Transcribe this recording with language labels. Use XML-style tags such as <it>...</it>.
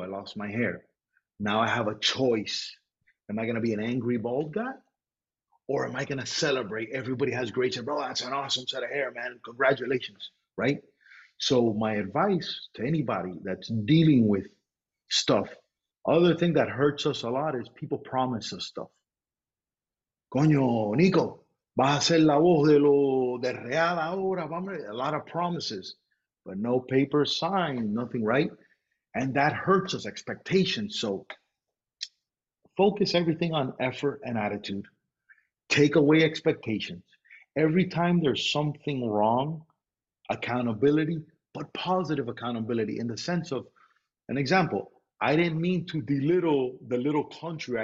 <en>I lost my hair. Now I have a choice. Am I going to be an angry bald guy? Or am I going to celebrate? Everybody has great hair. Bro, that's an awesome set of hair, man. Congratulations, right? So my advice to anybody that's dealing with stuff, other thing that hurts us a lot is people promise us stuff.</en> <es>Coño, Nico, vas a ser la voz de Real ahora.</es> <en>A lot of promises, but no paper signed, nothing, right? And that hurts us, expectations. So focus everything on effort and attitude. Take away expectations. Every time there's something wrong, accountability, but positive accountability, in the sense of, an example, I didn't mean to belittle the little country.</en>